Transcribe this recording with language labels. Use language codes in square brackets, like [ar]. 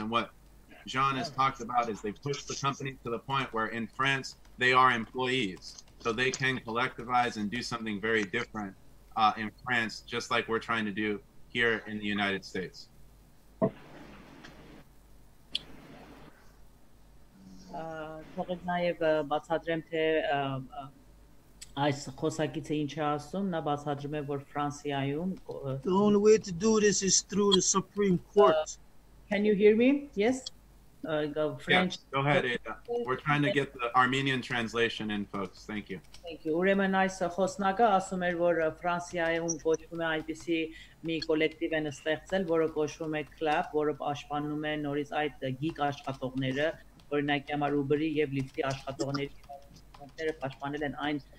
[en] And what Jean has talked about is they push the company to the point where in France, they are employees. So they can collectivize and do something very different in France, just like we're trying to do here in the United States. [hy] Թողեք նաև բացատրեմ, թե այս խոսակիցը ինչ է ասում, նա բացատրում է, որ Ֆրանսիայում [en] The only way to do this is through the Supreme Court. Can you hear me? Yes? French. Yeah, go ahead, Ada. We're trying to get the Armenian translation in, folks. Thank you. Thank you. [hy] Ուրեմն այս խոսնակը ասում էր, որ Ֆրանսիայում կոչվում է այդպիսի մի կոլեկտիվ են ստեղծել, որը կոչվում է CLAP, որը պաշտպանում է նորից այդ գիգ աշխատողները, օրինակ համար Uber-ի եւ Lyft-ի աշխատողների ֆոնդերը պաշտպանել են այն